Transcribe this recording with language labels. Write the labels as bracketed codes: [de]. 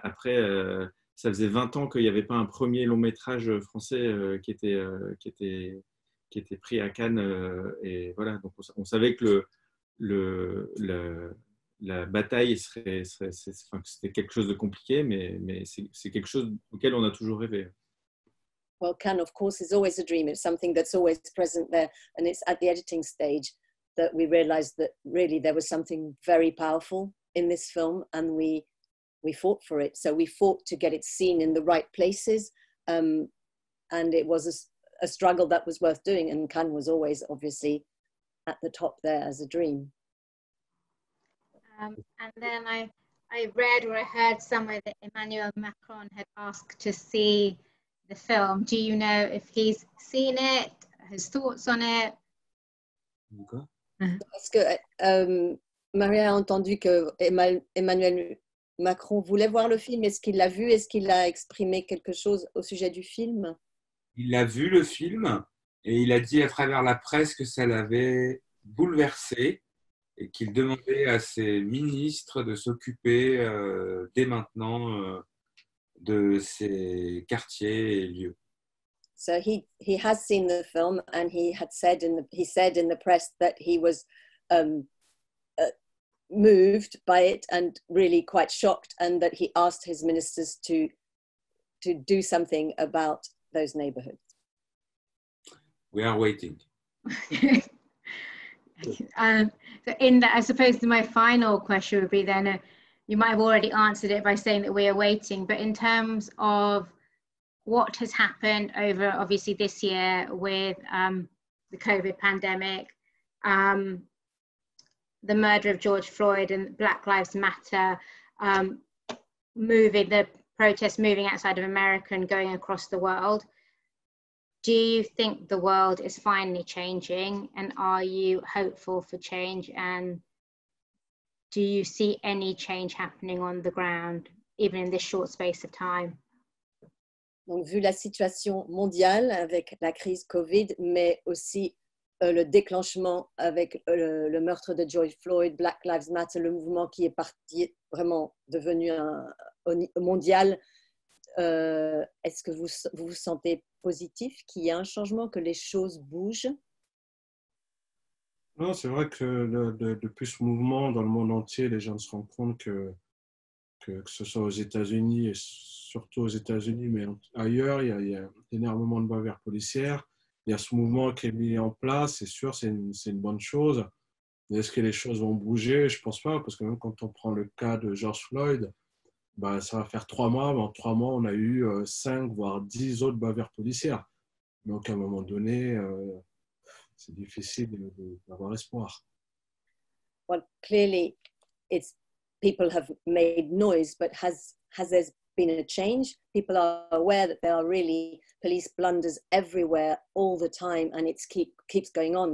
[fr] Après, ça faisait 20 ans qu'il n'y avait pas un premier long métrage français qui était pris à Cannes, et voilà, donc on savait que la bataille serait que c'était quelque chose de compliqué, mais c'est quelque chose auquel on a toujours rêvé. [en] Well, Cannes, of course, is always a dream. It's something that's always present there, and it's at the editing stage that we realized that really there was something very powerful in this film, and we fought for it. So we fought to get it seen in the right places, and it was a struggle that was worth doing, and Cannes was always obviously at the top there as a dream. And then I read or I heard somewhere that Emmanuel Macron had asked to see the film. Do you know if he's seen it, his thoughts on it? Okay. [fr] Parce que Maria a entendu que Emmanuel Macron voulait voir le film. Est-ce qu'il l'a vu? Est-ce qu'il a exprimé quelque chose au sujet du film? il a vu le film et il a dit à travers la presse que ça l'avait bouleversé et qu'il demandait à ses ministres de s'occuper dès maintenant de ces quartiers et lieux. [en] So he has seen the film and he had said in the press that he was moved by it and really quite shocked, and that he asked his ministers to do something about those neighborhoods. We are waiting. So in that, I suppose my final question would be then, you might have already answered it by saying that we are waiting, but in terms of what has happened over obviously this year with the COVID pandemic, the murder of George Floyd and Black Lives Matter, moving the protests moving outside of America and going across the world. Do you think the world is finally changing, and are you hopeful for change, and do you see any change happening on the ground, even in this short space of time? [fr] Donc, vu la situation mondiale avec la crise COVID, mais aussi le déclenchement avec le meurtre de George Floyd, Black Lives Matter, le mouvement qui est parti, vraiment devenu mondial, est-ce que vous vous sentez positif, qu'il y a un changement, que les choses bougent? Non, c'est vrai que depuis ce mouvement dans le monde entier, les gens se rendent compte que ce soit aux États-Unis, et surtout aux États-Unis, mais ailleurs, il y a énormément de bavures policières. Il y a ce mouvement qui est mis en place, c'est sûr, c'est une bonne chose. Mais est-ce que les choses vont bouger? Je ne pense pas, parce que même quand on prend le cas de George Floyd, ben, ça va faire 3 mois, mais en 3 mois, on a eu 5, voire 10 autres bavures policières. Donc, à un moment donné, c'est difficile d'avoir espoir. [en] Well, clearly, it's people have made noise, but has there been a change? People are aware that there are really police blunders everywhere all the time, and it keeps going on.